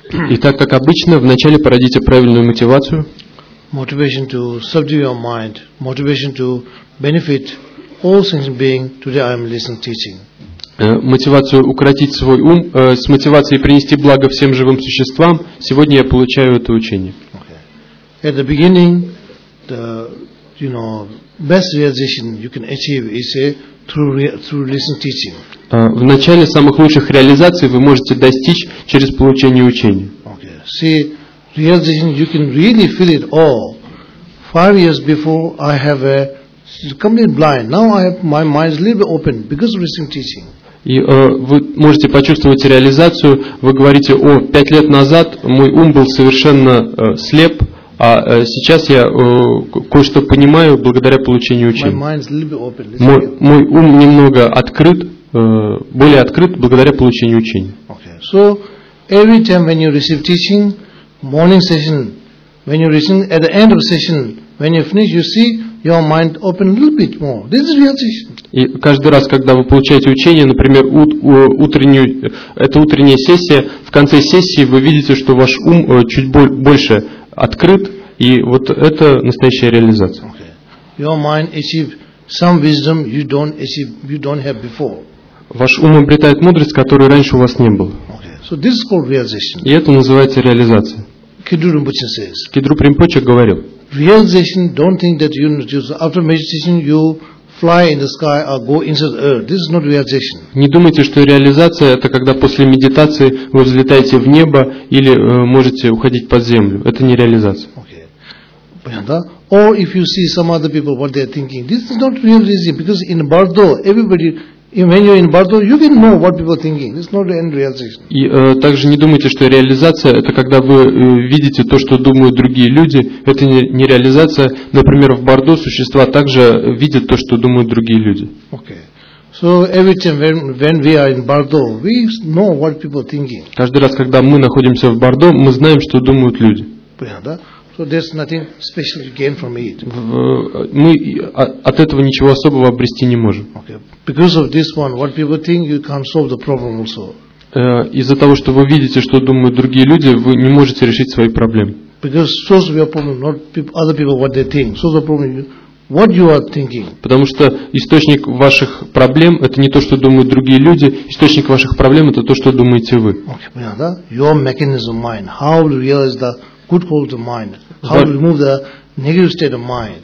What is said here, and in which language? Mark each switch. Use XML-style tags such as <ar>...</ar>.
<ru>И так как обычно, вначале породите правильную мотивацию.</ru> <en>Motivation to subdue your mind. Motivation to benefit all things being. Today I am listening teaching.</en> <ru>Мотивацию укротить свой ум, с мотивацией принести благо всем живым существам. Сегодня я получаю это учение.</ru> <en>Okay. At the beginning, the you know best realization you can achieve is through listening teaching.</en> <ru>В начале самых лучших реализаций вы можете достичь через получение учения.</ru> <en>Okay. See, realization you can really feel it all. 5 years before I have a complete blind. Now I have my mind is a little bit open because of listening teaching.</en> <ru>И вы можете почувствовать реализацию. Вы говорите: о, 5 лет назад мой ум был совершенно слеп, а сейчас я кое-что понимаю благодаря получению учения.</ru> <en>My mind is a little bit open.</en> <ru>Мой ум немного открыт. Более открыт благодаря получению учения.</ru> <en>Okay. So every time when you receive teaching, morning session, when you listen, at the end of session, when you finish, you see your mind open a little bit more. This is realization.</en> <ru>И каждый раз, когда вы получаете учение, например, утренняя сессия, в конце сессии вы видите, что ваш ум чуть больше открыт, и вот это настоящая реализация.</ru> <en>Okay. Your mind achieve some wisdom you don't have before. Ваш ум обретает мудрость, которой раньше у вас не было. Okay. So</en> <ru>и это называется реализация.</ru> <en>Кидру Ринпоче says.</en> <ru>Кидру Ринпоче говорил.</ru> <en>Realization, don't think that you after meditation you fly in the sky or go into the earth. This is not realization.</en> <ru>Не думайте, что реализация это когда после медитации вы взлетаете в небо или можете уходить под землю. Это не реализация. Okay. Понятно?</ru> <en>Or if you see some other people what they are thinking, this is not realization because in Bardo everybody. When you're in Bardo, you can know what people are thinking. It's not the end realization.</en> <ru>И также не думайте, что реализация это когда вы видите то, что думают другие люди. Это не реализация. Например, в Бардо существа также видят то, что думают другие люди.</ru> <en>Okay. So every time when we are in Bardo, we know what people are thinking.</en> <ru>Каждый раз, когда мы находимся в Бардо, мы знаем, что думают люди. Понятно, да?</ru> <en>So there's nothing special to gain from it.</en> <ru>Мы от этого ничего особого обрести не можем.</ru> <en>Okay. Because of this one, what people think, you can't solve the problem also.</en> <ru>Из-за того, что вы видите, что думают другие люди, вы не можете решить свои проблемы.</ru> <en>Because source of your problem, not other people what they think. Source of problem, what you are thinking.</en> <ru>Потому что источник ваших проблем это не то, что думают другие люди. Источник ваших проблем это то, что думаете вы.</ru> <en>Okay,</en> <ru>понятно, да?</ru> <en>Your mechanism mind. How to realize the good quality of mind. How to remove the negative state of mind.</en>